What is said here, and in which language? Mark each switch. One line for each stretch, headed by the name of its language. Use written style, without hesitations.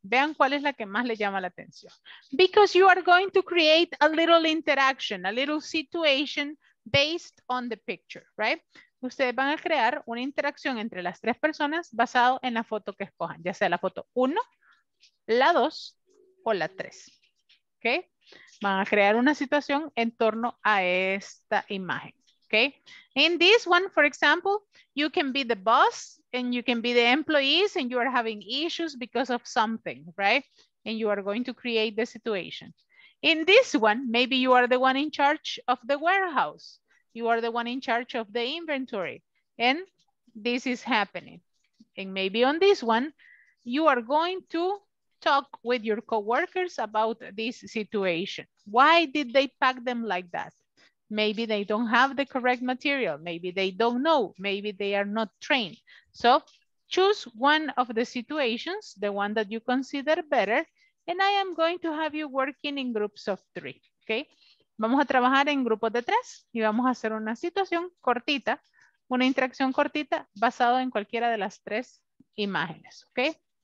Spanish: Vean cuál es la que más le llama la atención.
English: Because you are going to create a little interaction, a little situation based on the picture, right?
Spanish: Ustedes van a crear una interacción entre las tres personas basado en la foto que escojan, ya sea la foto uno, la 2 o la 3. ¿Ok? Van a crear una situación en torno a esta imagen. ¿Ok?
English: In this one, for example, you can be the boss and you can be the employees and you are having issues because of something, right? And you are going to create the situation. In this one, maybe you are the one in charge of the warehouse. You are the one in charge of the inventory. And this is happening. And maybe on this one, you are going to talk with your coworkers about this situation. Why did they pack them like that? Maybe they don't have the correct material. Maybe they don't know. Maybe they are not trained. So choose one of the situations, the one that you consider better, and I am going to have you working in groups of three, okay?
Spanish: Vamos a trabajar en grupos de tres y vamos a hacer una situación cortita, una interacción cortita basada en cualquiera de las tres imágenes, okay?